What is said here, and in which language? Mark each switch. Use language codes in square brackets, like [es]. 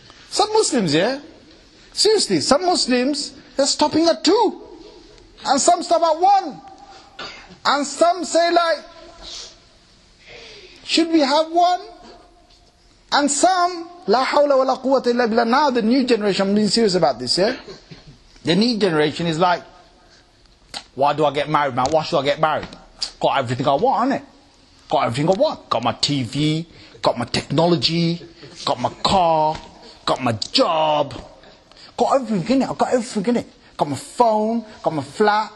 [en] Some Muslims, yeah? Seriously, some Muslims are stopping at two. And some stop at one. And some say like, should we have one? And some, [ar] لا حول ولا قوة إلا بالله. [en] Now the new generation, I'm being serious about this, yeah? The new generation is like, why do I get married, man? Why should I get married? Got everything I want, innit? Got everything I want. Got my TV, got my technology, got my car, got my job. Got everything in it. I've got everything in it. Got my phone. Got my flat.